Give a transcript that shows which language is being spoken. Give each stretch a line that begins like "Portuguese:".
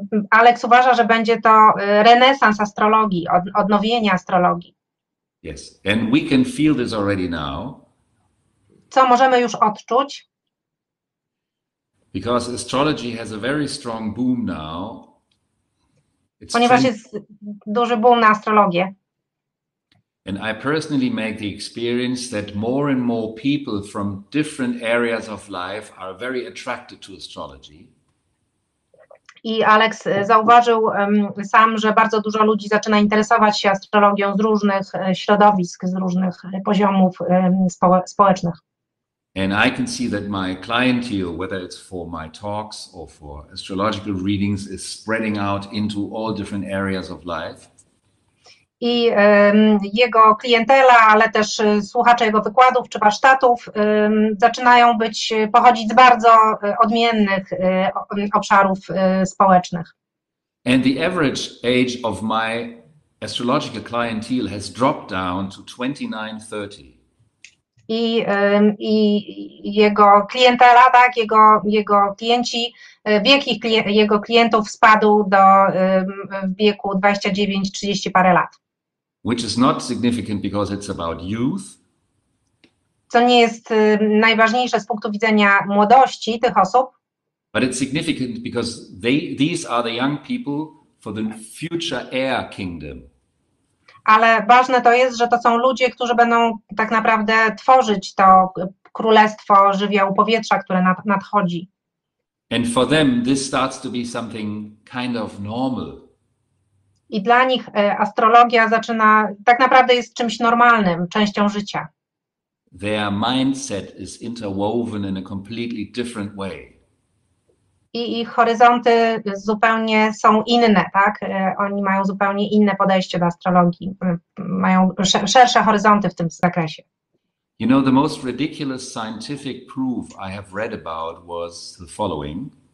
Polish: Alex uważa, że będzie to renesans astrologii, odnowienie astrologii.
English: Yes, and we can feel this already now.
Polish: Co możemy już odczuć?
English: Because astrology has a very strong boom now.
Polish: Ponieważ jest duży boom na astrologię.
English: And I personally make the experience that more and more people from different areas of life are very attracted to astrology.
Polish: I Alex zauważył sam, że bardzo dużo ludzi zaczyna interesować się astrologią z różnych środowisk, z różnych poziomów społecznych.
English: And I can see that my clientele, whether it's for my talks or for astrological readings, is spreading out into all different areas of life.
Polish: I jego klientela, ale też słuchacze jego wykładów czy warsztatów zaczynają być pochodzić z bardzo odmiennych obszarów społecznych.
English: And the average age of my astrological clientele has dropped down to 29-30.
Polish: I jego klientela, tak, jego klienci, wiek ich jego klientów spadł do wieku 29-30 parę lat.
English: Which is not significant because it's about youth.
Polish: Co nie jest najważniejsze z punktu widzenia młodości tych osób.
English: But it's significant because these are the young people for the future heir kingdom.
Polish: Ale ważne to jest, że to są ludzie, którzy będą tak naprawdę tworzyć to królestwo żywiołu powietrza, które nadchodzi.
English: And for them this starts to be something kind of normal.
Polish: I dla nich astrologia zaczyna, tak naprawdę jest czymś normalnym, częścią życia.
English: Their mindset is interwoven in a completely different way.
Polish: I ich horyzonty zupełnie są inne, tak? Oni mają zupełnie inne podejście do astrologii. Mają szersze horyzonty w tym zakresie.
English: You know, the most ridiculous scientific proof I have read about was the following.